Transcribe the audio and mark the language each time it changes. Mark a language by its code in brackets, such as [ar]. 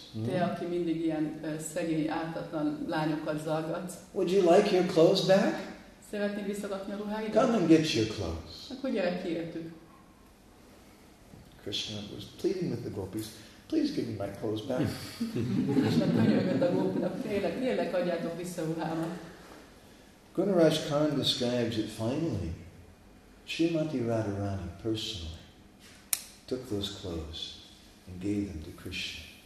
[hu] Te, aki mindig ilyen szegény, ártatlan lányokat zargat. [en] Would you like your clothes back? [hu] Szeretnéd visszakapni a ruháidat? [en] Come and get your clothes. [hu] Akkor gyere ki értük. [en] Krishna was pleading with the gopis, please give me my clothes back. [hu] Krishna könyörgött a gopinak, kérlek, kérlek, adjátok vissza a ruhámat. [en] Gunaraj Khan describes it finally. Srimati Radharani personally took those clothes and gave them to Krishna.